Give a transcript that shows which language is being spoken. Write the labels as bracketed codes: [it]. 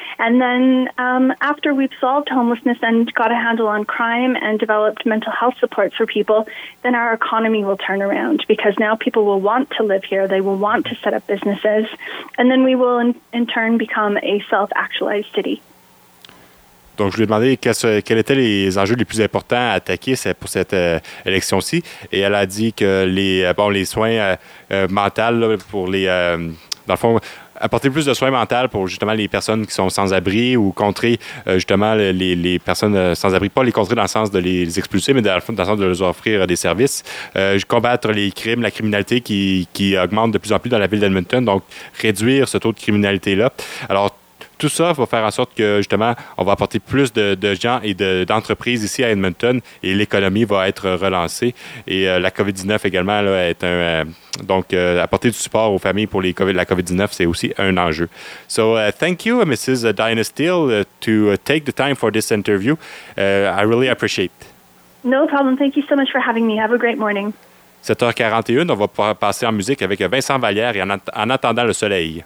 [en] And then after we've solved homelessness and got a handle on crime and developed mental health supports for people, then our economy will turn around, because now people will want to live here. They will want to set up businesses. And then we will in turn become a self-actualized city. [fr] Donc, je lui ai demandé quels étaient les enjeux les plus importants à attaquer pour cette élection-ci. Et elle a dit que les soins mentaux pour les... dans le fond, apporter plus de soins mentaux pour justement les personnes qui sont sans-abri ou contrer justement les personnes sans-abri. Pas les contrer dans le sens de les expulser, mais dans le sens de leur offrir des services. Combattre les crimes, la criminalité qui augmente de plus en plus dans la ville d'Edmonton. Donc, réduire ce taux de criminalité-là. Alors, tout ça va faire en sorte que, justement, on va apporter plus de gens et d'entreprises ici à Edmonton, et l'économie va être relancée. Et la COVID-19 également, là, est un... apporter du support aux familles pour la COVID-19, c'est aussi un enjeu. [en] So, thank you, Mrs. Diana Steele, to take the time for this interview. I really appreciate it. No problem. Thank you so much for having me. Have a great morning. [fr] 7h41, on va passer en musique avec Vincent Vallière et en attendant le soleil.